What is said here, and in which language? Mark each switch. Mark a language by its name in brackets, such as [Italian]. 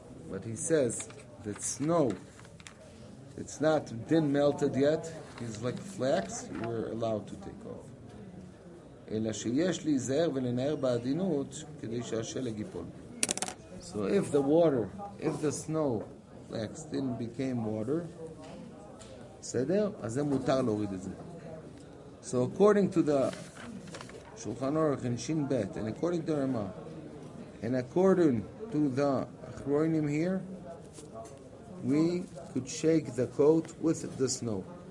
[English] But he says that snow, it's not been melted yet. is like flax, you're allowed to take off. [Hebrew] אלא שיש להיזהר ולנער בעדינות כדי שהשלג ייפול. [English] So if the water, if the snow flax didn't became water, [Hebrew] בסדר? אז זה מותר להוריד את זה. [English] So according to the Shulchan Aruch and Shin Bet, and according to Rama, and according to the Achronim here, we could shake the coat with the snow.